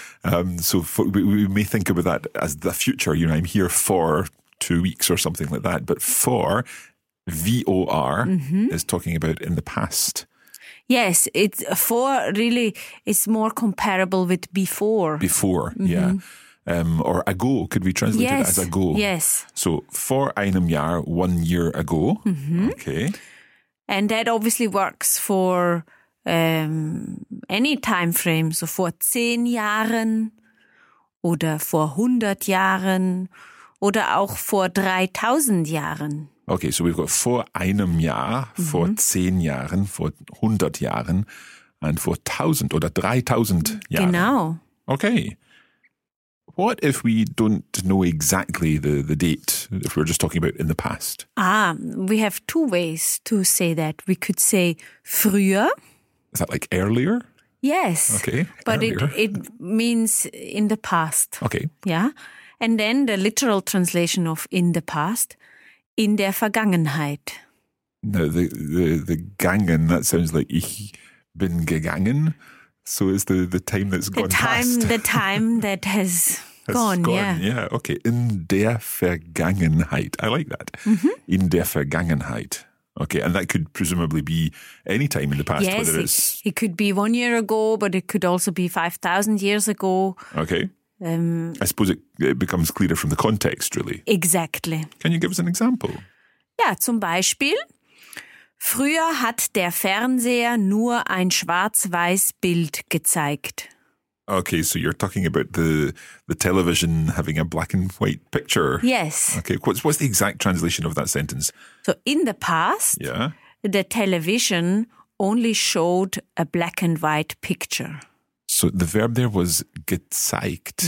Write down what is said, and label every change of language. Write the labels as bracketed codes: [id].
[en] We may think about that as the future. You know, I'm here for 2 weeks or something like that. But four, V-O-R, mm-hmm. is talking about in the past. Yes, it's four really is more comparable with before. Before, mm-hmm. yeah. Or ago, could we translate yes, it as ago? Yes. So, [de] vor einem Jahr, [en] 1 year ago. Mm-hmm. Okay. And that obviously works for any time frame. [de] So, vor 10 Jahren oder vor 100 Jahren oder auch vor 3000 Jahren. [en] Okay, so we've got [de] vor einem Jahr, [en] mm-hmm. [de] vor 10 Jahren, vor 100 Jahren [en] and [de] vor 1000 oder 3000 Jahren. Genau. [en] Okay. What if we don't know exactly the date, if we're just talking about in the past? Ah, we have two ways to say that. We could say [de] früher. [en] Is that like earlier? Yes. Okay, but it means in the past. Okay. Yeah. And then the literal translation of in the past, [de] in der Vergangenheit. [en] Now, the gangen, that sounds like [de] ich bin gegangen. [en] So is the time that's gone past. The time that has gone, gone, yeah. Yeah, okay. [de] In der Vergangenheit. [en] I like that. Mm-hmm. [de] In der Vergangenheit. [en] Okay, and that could presumably be any time in the past. Yes, whether it's it could be 1 year ago, but it could also be 5,000 years ago. Okay. I suppose it becomes clearer from the context, really. Exactly. Can you give us an example? [de] Ja, zum Beispiel. Früher hat der Fernseher nur ein schwarz-weiß Bild gezeigt. [en] Okay, so you're talking about the television having a black and white picture. Yes. Okay, what's the exact translation of that sentence? So in the past, yeah. the television only showed a black and white picture. So the verb there was gezeigt.